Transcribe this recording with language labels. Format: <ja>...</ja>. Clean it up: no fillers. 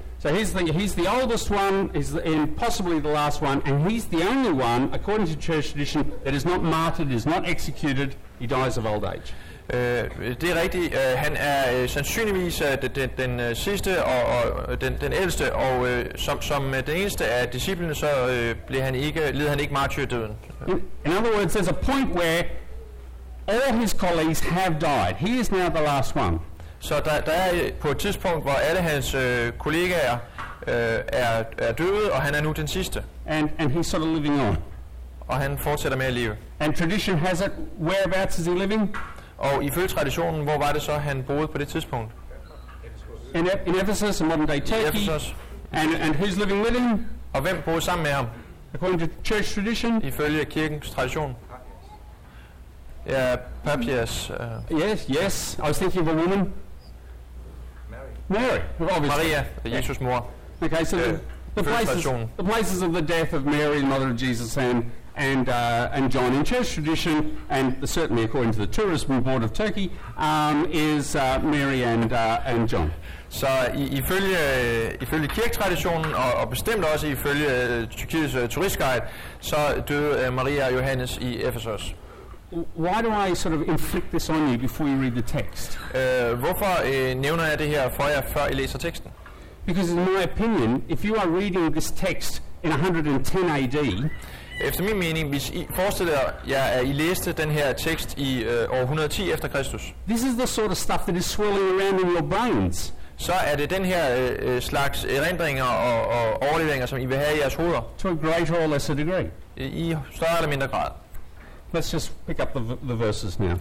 <en>So he's the oldest one, and possibly the last one, and he's the only one, according to church tradition, that is not martyred, is not executed. He dies of old age.</en> <da>Det er rigtigt. Han er sandsynligvis den sidste og den ældste, og som den eneste af disciplene, så led han ikke martyrdøden.</da> <en>In other words, there's a point where all his colleagues have died. He is now the last one.</en> <da>Så der er på et tidspunkt, hvor alle hans kollegaer er døde, og han er nu den sidste.</da> <en>And he's sort of living on.</en> <da>Og han fortsætter med at leve.</da> <en>And tradition has it, whereabouts is he living?</en> <da>Og ifølge traditionen, hvor var det så, han boede på det tidspunkt?</da> <en>In Ephesus, in modern-day Turkey. Ephesus. And who's living with him?</en> <da>Og hvem boede sammen med ham?</da> <en>According to church tradition.</en> <da>Ifølge kirkens tradition. Ja, Papias.</da> <en>Yes. I was thinking of a woman.</en> <da>Maria, Jesus mor.</da> <en>Okay, so the places of the death of Mary, mother of Jesus, and John in church tradition, and certainly according to the tourism board of Turkey, is Mary and John.</en> <da>Så ifølge kirketraditionen og bestemt også ifølge Tyrkiets turistguide, så døde Maria og Johannes i Efesus.</da> <en>Why do I sort of inflict this on you before you read the text?</en> <da>Hvorfor nævner jeg det her for jer, før I læser teksten?</da> <en>Because in my opinion, if you are reading this text in 110 AD,</en> <da>efter min mening, hvis I forestiller jer, at I læste den her tekst i år 110 efter Kristus,</da> <en>this is the sort of stuff that is swirling around in your brains.</en> <da>Så er det den her slags erindringer og overleveringer, som I vil have i jeres hoveder.</da> <en>To a greater or lesser degree.</en> <da>I større eller mindre grad.</da> <en>Let's just pick up the verses now.</en>